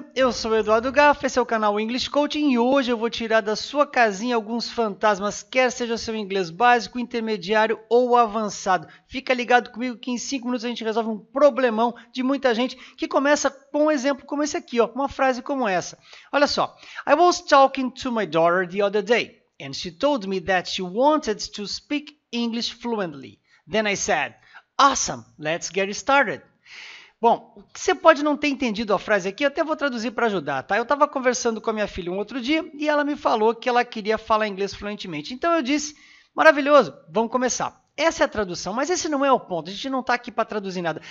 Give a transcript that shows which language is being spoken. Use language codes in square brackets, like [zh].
[pt] Eu sou o Eduardo Gafa, esse é o canal English Coaching e hoje eu vou tirar da sua casinha alguns fantasmas, quer seja seu inglês básico, intermediário ou avançado. Fica ligado comigo que em 5 minutos a gente resolve um problemão de muita gente que começa com um exemplo como esse aqui, ó, uma frase como essa. Olha só, [en] I was talking to my daughter the other day and she told me that she wanted to speak English fluently. Then I said, awesome, let's get started. [pt] Bom, você pode não ter entendido a frase aqui, eu até vou traduzir para ajudar, tá? Eu estava conversando com a minha filha um outro dia e ela me falou que ela queria falar inglês fluentemente. Então eu disse, maravilhoso, vamos começar. Essa é a tradução, mas esse não é o ponto, a gente não está aqui para traduzir nada.